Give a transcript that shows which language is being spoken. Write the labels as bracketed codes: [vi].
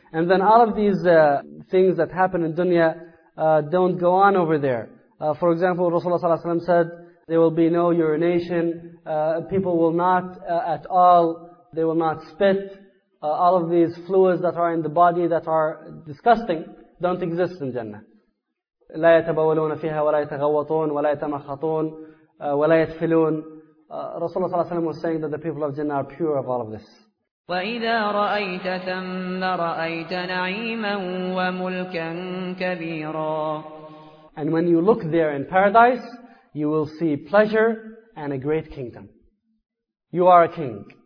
[en] And then all of these things that happen in dunya don't go on over there. For example, Rasulullah ﷺ said, there will be no urination, people will not at all, they will not spit. All of these fluids that are in the body that are disgusting don't exist in Jannah. [ar] لا يتبولون فيها ولا يتغوطون ولا يتمخطون ولا يتفلون. [en] Rasulullah ﷺ was saying that the people of Jannah are pure of all of this. [ar] وَإِذَا رَأَيْتَ ثَمَّ رَأَيْتَ نَعِيمًا وَمُلْكًا كَبِيرًا. [en] And when you look there in paradise, you will see pleasure and a great kingdom. You are a king.